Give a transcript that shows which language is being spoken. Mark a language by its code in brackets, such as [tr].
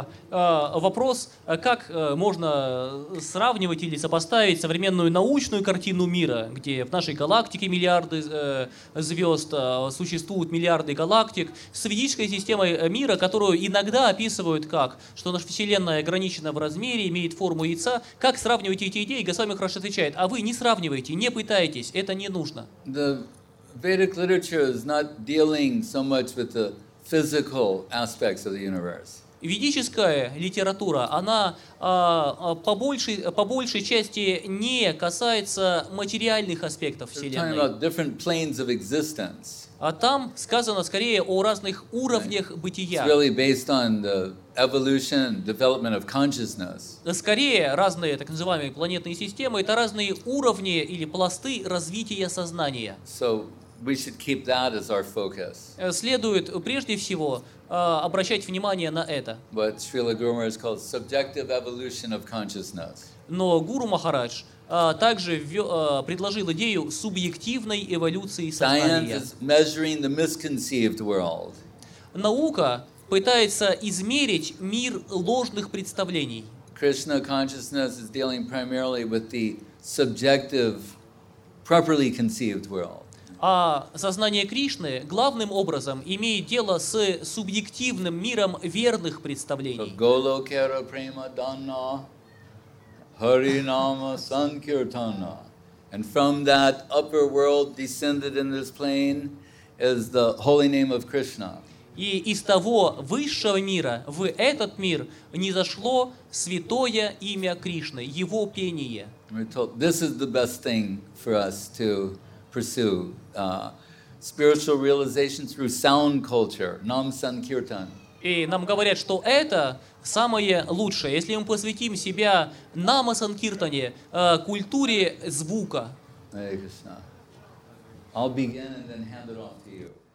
[ru] Вопрос, как можно сравнивать или сопоставить современную научную картину мира, где в нашей галактике миллиарды звезд, существуют миллиарды галактик, с физической системой мира, которую иногда описывают как, что наша Вселенная ограничена в размере, имеет форму яйца. Как сравнивать эти идеи? Госвами хорошо отвечает, а вы не сравнивайте, не пытайтесь, это не нужно. [en] The Vedic literature is not dealing so much with the physical aspects of the universe. [ru] Ведическая литература, она по большей части не касается материальных аспектов Вселенной. А там сказано скорее о разных уровнях бытия. [en] It's really based on the evolution, development of consciousness. [ru] Скорее, разные так называемые планетные системы — это разные уровни или пласты развития сознания. [en] So we should keep that as our focus. [ru] Следует прежде всего обращать внимание на это. [en] What Srila Guru Maharaj called subjective evolution of consciousness. [ru] Но Гуру Махарадж также предложил идею субъективной эволюции сознания. [en] Science is measuring the misconceived world. [ru] Наука пытается измерить мир ложных представлений. [en] Krishna consciousness is dealing primarily with the subjective, properly conceived world. [ru] А сознание Кришны главным образом имеет дело с субъективным миром верных представлений. [bn] Голокера према данна, харинама санкиртана. [en] And from that upper world descended in this plane is the holy name of Krishna. [ru] И из того высшего мира в этот мир не зашло святое имя Кришны, его пение. [en] This is the best thing for us to pursue. Spiritual realization through sound culture, Nam Sankirtan. [ru] И нам говорят, что это самое лучшее, если мы посвятим себя Нама Санкиртане, культуре звука. [en] I'll begin and then hand it off to you.